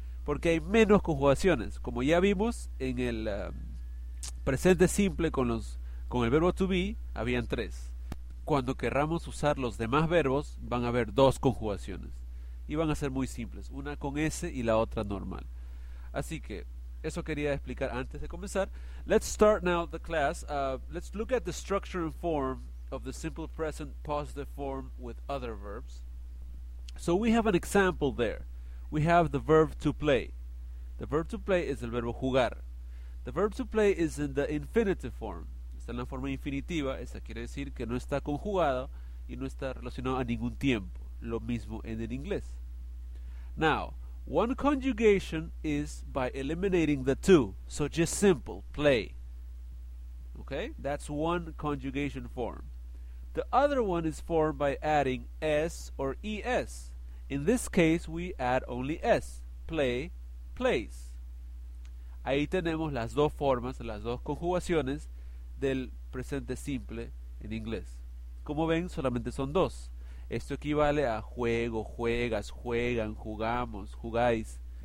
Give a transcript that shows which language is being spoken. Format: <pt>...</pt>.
<es>Porque hay menos conjugaciones. Como ya vimos en el presente simple con el verbo to be, habían tres. Cuando querramos usar los demás verbos, van a haber dos conjugaciones. Y van a ser muy simples, una con S y la otra normal. Así que, eso quería explicar antes de comenzar.</es> <en>Let's start now the class. Let's look at the structure and form of the simple present positive form with other verbs. So we have an example there. We have the verb to play. The verb to play is</en> <es>el verbo jugar.</es> <en>The verb to play is in the infinitive form.</en> <es>Está en la forma infinitiva, esa quiere decir que no está conjugado y no está relacionado a ningún tiempo. Lo mismo en el inglés.</es> <en>Now, one conjugation is by eliminating the to. So just simple, play. Okay, that's one conjugation form. The other one is formed by adding s or es. In this case, we add only s. Play, plays.</en> <es>Ahí tenemos las dos formas, las dos conjugaciones del presente simple en inglés. Como ven, solamente son dos. Esto equivale a juego, juegas, juegan, jugamos, jugáis.</es>